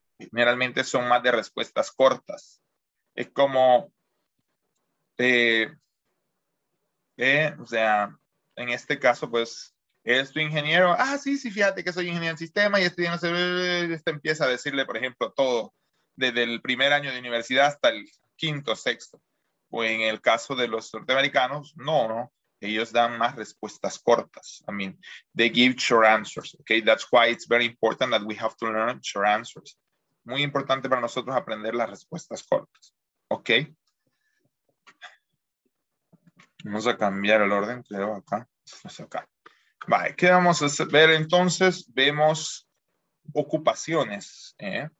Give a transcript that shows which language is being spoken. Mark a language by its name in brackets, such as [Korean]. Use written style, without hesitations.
[Spanish] Generalmente son más de respuestas cortas. Es como, o sea, en este caso pues, ¿eres tu ingeniero? Ah, sí, sí, fíjate que soy ingeniero en sistema y estoy en ese... Este empieza a decirle, por ejemplo, todo. Desde el primer año de universidad hasta el quinto, sexto. O en el caso de los norteamericanos, no, no. Ellos dan más respuestas cortas. [English] I mean, they give short answers. Okay, that's why it's very important that we have to learn short answers. [Spanish] Muy importante para nosotros aprender las respuestas cortas. [English] Okay. [Spanish] Vamos a cambiar el orden, creo, acá. Es acá. Vale, ¿qué vamos a ver entonces? Vemos ocupaciones, ¿eh?